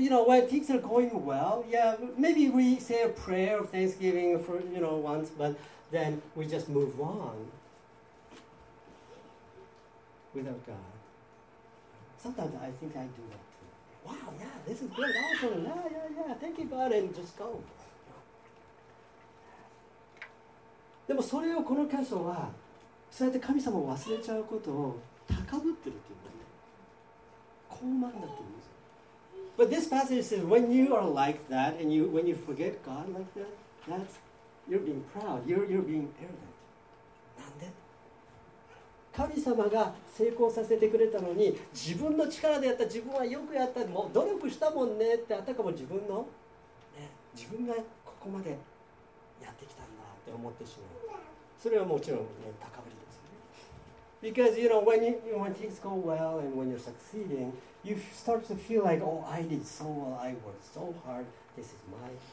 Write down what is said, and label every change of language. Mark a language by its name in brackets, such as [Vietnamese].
[English] Like, you know, when things are going well, yeah, maybe we say a prayer of thanksgiving for, you know, once, but then we just move on without God. Sometimes I think I do that too. Wow, yeah, this is great, awesome, yeah, yeah, yeah, thank you God, and just go. [Japanese] でもそれを、この箇所はそうやって神様を忘れちゃうことを高ぶってるっていうのね、高慢だって言うんですよ。 [English] But this passage says when you are like that and you, when you forget God like that, that's, you're being proud, you're being arrogant. [Japanese] なんで？神様が成功させてくれたのに、自分の力でやった、自分はよくやった、もう努力したもんねって、あたかも自分の、ね、自分がここまでやってきたんだって思ってしまう。それはもちろん、ね、高ぶりですよね。 [English] Because you know, when things go well and when you're succeeding, you start to feel like, oh, I did so well, I worked so hard, this is my effort.